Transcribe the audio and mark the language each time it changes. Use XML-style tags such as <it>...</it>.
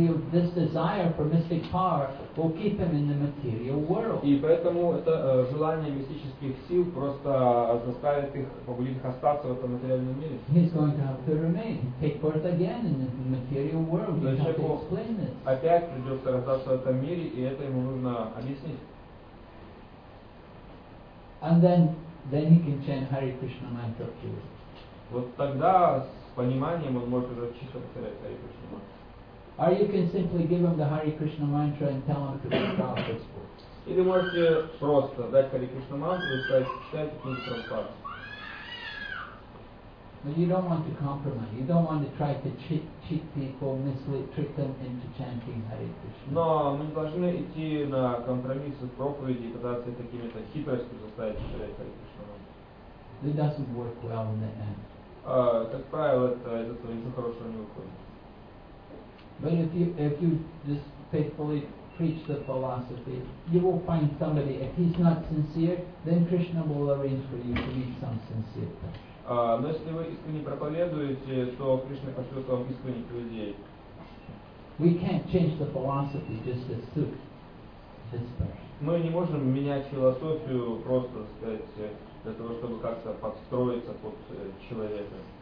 <en>This desire for mystic power will keep him in the material world.</en> <ru>И поэтому это желание мистических сил просто заставит их, побудит их остаться в этом материальном мире.</ru> <en>He's going to have to remain, take birth again in the material world. You have to explain this.</en> <ru>Опять придется рождаться в этом мире, и это ему нужно объяснить.</ru> <en>And then he can chant Hare Krishna mantra too.</en> <ru>Вот тогда с пониманием он может уже чисто повторять Hare Krishna mantra.</ru> <en>Or you can simply give him the Hare Krishna mantra and tell him to read Prabhupada's books.</en> <ru>Или можете просто дать Hare Krishna mantra и сказать, читайте книги Прабхупады.</ru> <en>But you don't want to compromise. You don't want to try to cheat people, mislead, trick them into chanting Hare Krishna.</en> <ru>Но мы не должны идти на компромиссы с проповеди и пытаться какими-то хитростью заставить читать Hare Krishna mantra.</ru> <en>It doesn't work well in the end.</en> <ru>Как правило, это из этого ничего хорошего не выходит.</ru> <en>But if you just faithfully preach the philosophy, you will find somebody. If he's not sincere, then Krishna will arrange for you to meet some sincere person.</en> <ru>Но если вы искренне проповедуете, то Кришна пошлет вам искренних людей.</ru> <en>We can't change the philosophy just to suit this person.</en> <ru>Мы не можем менять философию просто, так сказать, для того, чтобы как-то подстроиться под человека.</ru>